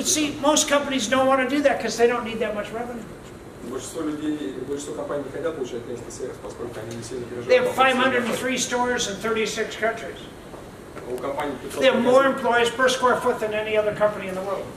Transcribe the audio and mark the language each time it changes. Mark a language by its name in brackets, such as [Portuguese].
[English] But see, most companies don't want to do that because they don't need that much revenue. [Russian] Большинство компаний не хотят улучшать место сервис, поскольку они не сильно переживают. [English] They have 503 stores in 36 countries. [Russian] У компании 500 магазинов. [English] They have more employees per square foot than any other company in the world.